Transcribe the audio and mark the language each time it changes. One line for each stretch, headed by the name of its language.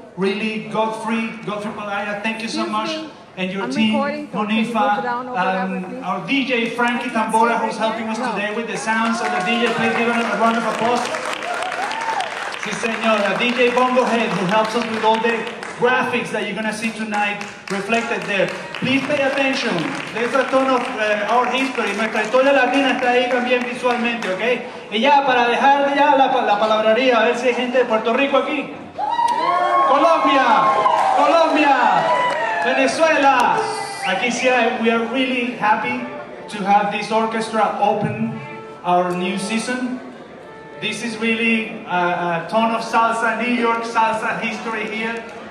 English: Really, Godfrey Palaya, thank you so much. And your team, Monifa, our DJ, Frankie Tambora, who's helping us today with the sounds. So the DJ, please give him a round of applause.
Spanish: Sí, señora.
English: DJ Bongohead, who helps us with all the graphics that you're going to see tonight reflected there. Please pay attention. There's a ton of our history.
Spanish: Nuestra historia latina está ahí también visualmente, ¿ok? Y ya, para dejar ya la palabrería, a ver si hay gente de Puerto Rico aquí. Colombia, Venezuela. Aquí sí,
English: we are really happy to have this orchestra open our new season. This is really a ton of salsa, New York salsa history here.